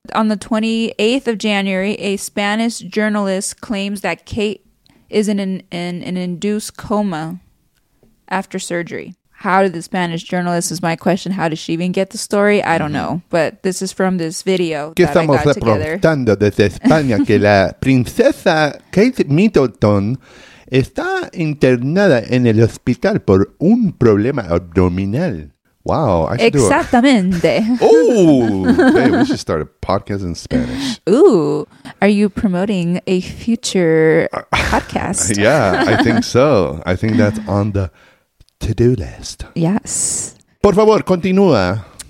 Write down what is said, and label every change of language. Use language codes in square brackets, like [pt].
[en] On the 28th of January, a Spanish journalist claims that Kate is in an induced coma after surgery. How did the Spanish journalist, is my question, how did she even get the story? I don't know. But this is from this video que that I got together. [es] Que estamos reportando desde España que la princesa Kate Middleton está internada en el hospital por un problema abdominal. Wow. Exactamente. [en] Hey, we should start a podcast in Spanish. Ooh, are you promoting a future podcast? Yeah, I think so. I think that's on the to-do list. Yes. [es] Por favor, continúa.